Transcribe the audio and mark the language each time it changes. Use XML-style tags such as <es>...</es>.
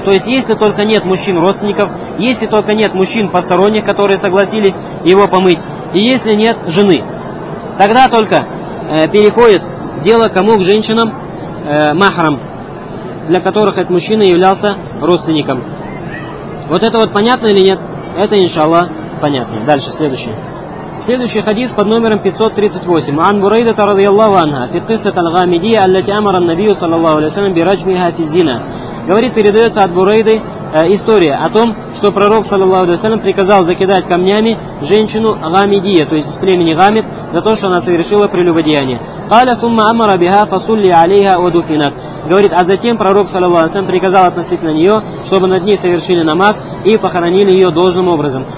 <ru>То есть, если только нет мужчин родственников, если только нет мужчин посторонних, которые согласились его помыть, и если нет жены, тогда только переходит дело кому? К женщинам, махрам, для которых этот мужчина являлся родственником. Вот это вот понятно или нет? Это, иншаллах, понятно. Дальше, следующий. Следующий хадис под номером 538.</ru> <ar>عن بريدة رضي الله عنها في قصة الغامدية التي أمر النبي صلى الله عليه وسلم برجمها في الزنا.</ar> <ru>Говорит, передается от Бурейды история о том, что пророк, саллаллаху алейхи ва саллям, приказал закидать камнями женщину Гамидия, то есть из племени Гамид, за то, что она совершила прелюбодеяние.</ru> <ar>«Каля сумма амара биха фасулли алейха вадуфинат».</ar> <ru>Говорит, а затем пророк, саллаллаху алейхи ва саллям, приказал относительно нее, чтобы над ней совершили намаз и похоронили ее должным образом.</ru>